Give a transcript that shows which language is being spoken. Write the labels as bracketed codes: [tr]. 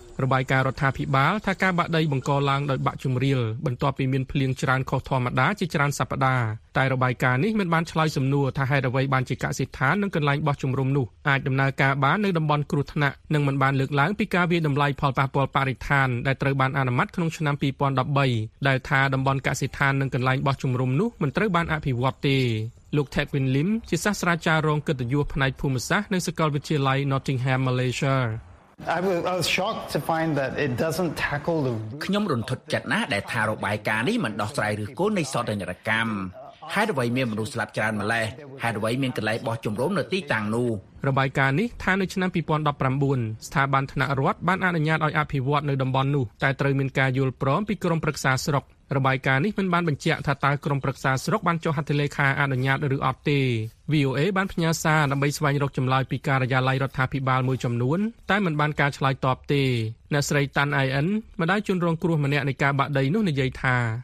[km] របាយការណ៍រដ្ឋាភិបាលថាការបាក់ដីបង្កឡើងដោយបាក់ជំរៀលបន្ទាប់ពីមានភ្លៀងច្រើនខុសធម្មតាជាច្រើនសប្តាហ៍តែរបាយការណ៍នេះមិនបានឆ្លើយសំណួរថាហេតុអ្វីបានជាកសិដ្ឋាននិងកន្លែងបោះជំរំនោះអាចដំណើរការបាននៅតំបន់គ្រោះថ្នាក់និងមិនបានលើកឡើងពីការវាយតម្លៃផលប៉ះពាល់បរិស្ថានដែលត្រូវបានអនុម័តក្នុងឆ្នាំ2013ដែលថាតំបន់កសិដ្ឋាននិងកន្លែងបោះជំរំនោះមិនត្រូវបានអភិវឌ្ឍទេលោក Tekwin Lim ជាសាស្ត្រាចារ្យរងកិត្តិយសផ្នែកភូមិសាស្ត្រនៅសាកលវិទ្យាល័យ Nottingham Malaysia [en] I was shocked to find that it doesn't tackle the [km] ខ្ញុំរន្ធត់ចិត្តណាស់ដែលថារបាយការណ៍នេះមិនដោះស្រាយឬគល់នៃសោកនាដកម្មហេតុអ្វីមានមនុស្សស្លាប់ច្រើនម្ល៉េះហេតុអ្វីមានកន្លែងបោះជំរំនៅទីតាំងនោះ របាយការណ៍នេះថានៅឆ្នាំ2019ស្ថាប័នថ្នាក់រដ្ឋបានអនុញ្ញាតឲ្យអភិវឌ្ឍនៅតំបន់នោះតែត្រូវមានការយល់ព្រមពីក្រុមប្រឹក្សាស្រុករបាយការណ៍នេះមិនបានបញ្ជាក់ថាតើក្រុមប្រឹក្សាស្រុកបានចុះហត្ថលេខាអនុញ្ញាតឬអត់ទេ VOA បានផ្ញើសារដើម្បីស្វែងរកចម្លើយពីការិយាល័យរដ្ឋាភិបាលមួយចំនួនតែមិនបានការឆ្លើយតបទេអ្នកស្រីតាន់អៃអិនម្ដាយជនរងគ្រោះម្នាក់នៃការបាក់ដីនោះនិយាយថា